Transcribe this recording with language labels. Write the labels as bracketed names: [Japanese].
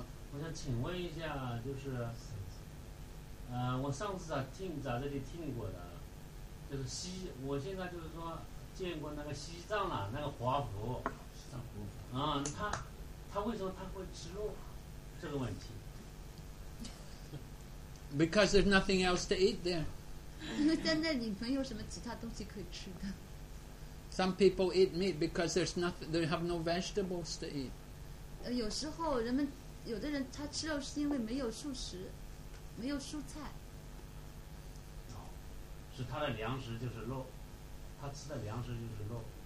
[Chinese] 我想请问一下，就是，我上次在听杂志里听过的，就是西，我现在就是说见过那个西藏啊，那个华佛，西藏佛，啊，他为什么他会吃肉？这个问题。 [English] Because there's nothing else to eat there. [Chinese] 因为在那里没有什么其他东西可以吃的。 [English] Some people eat meat because there's nothing, they have no vegetables to eat. [Chinese] 有时候人们有的人他吃肉是因为没有素食没有蔬菜、哦、是他的粮食就是肉他吃的粮食就是肉